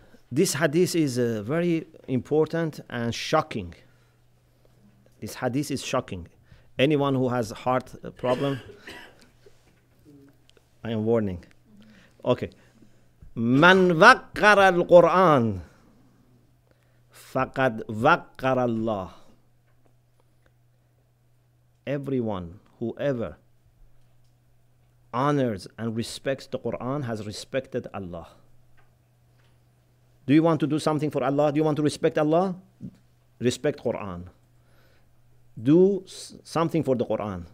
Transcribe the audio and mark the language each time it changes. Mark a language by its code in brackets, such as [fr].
[en] This hadith is very important and shocking. This hadith is shocking. Anyone who has heart problem, I am warning. Okay. [ar] من وقر القرآن فقد وقر الله. [en] Everyone, whoever honors and respects the Quran has respected Allah. Do you want to do something for Allah? Do you want to respect Allah? Respect Quran. Do something for the Quran.